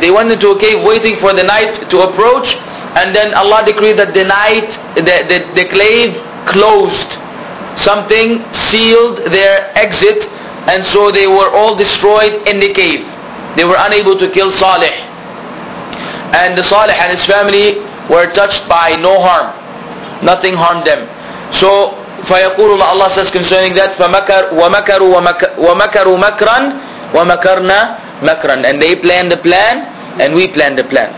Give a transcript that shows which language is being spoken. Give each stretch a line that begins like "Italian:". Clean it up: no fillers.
English: They went into a cave waiting for the night to approach, and then Allah decreed that the cave closed, something sealed their exit, and so they were all destroyed in the cave. They were unable to kill Salih. And the Salih and his family were touched by no harm. Nothing harmed them.
Arabic: So, فَيَقُولُ اللَّهُ
English: Allah says concerning that,
Arabic: وَمَكَرُوا مَكْرًا وَمَكَرْنَا مَكْرًا.
English: And they planned the plan, and we planned the plan.